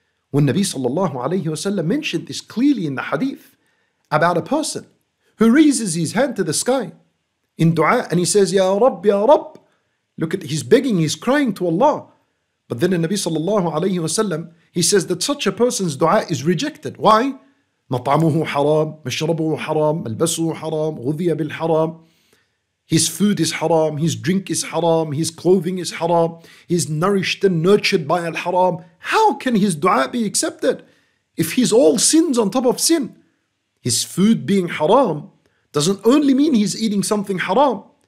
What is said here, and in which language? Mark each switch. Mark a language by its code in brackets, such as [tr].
[en] When Nabi sallallahu alayhi wasallam mentioned this clearly in the hadith about a person who raises his hand to the sky in dua and he says, Ya Rabb, Ya Rabb. Look at, he's begging, he's crying to Allah. But then the Nabi sallallahu alayhi wasallam, he says that such a person's dua is rejected. Why? [ar] مَطْعَمُهُ حَرَامُ مَشْرَبُهُ حَرَامُ مَلْبَسُهُ حَرَامُ غُذِيَ بِالْحَرَامُ. [en] His food is haram, his drink is haram, his clothing is haram, he's nourished and nurtured by al-haram. How can his dua be accepted if he's all sins on top of sin? His food being haram doesn't only mean he's eating something haram.